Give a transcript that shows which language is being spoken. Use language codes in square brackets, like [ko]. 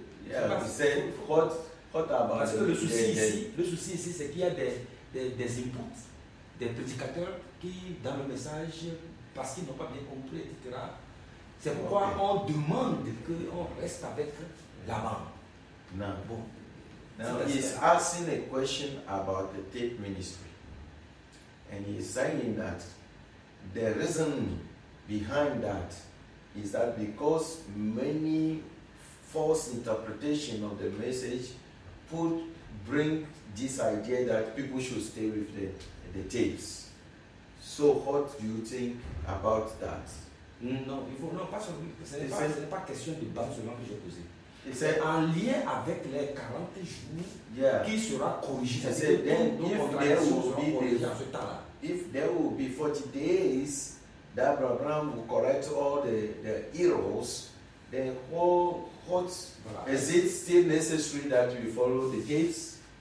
[fr] Parce que le souci ici, c'est qu'il y a des inputs, des prédicateurs qui, dans le message, parce qu'ils n'ont pas bien compris, etc. C'est pourquoi on demande qu'on reste avec la bande. Non. Bon. [en] Now he's asking a question about the tape ministry. And he's saying that the reason behind that is that because many false interpretation of the message bring this idea that people should stay with the tapes. So what do you think about that? [fr] Non, il faut, non, pas sur, ce n'est pas question de base seulement que j'ai posé. C'est en lien avec les 40 jours qui sera corrigé. [en] If there will be 40 days that Abraham will correct all the errors, then what is it still necessary that we follow the gates?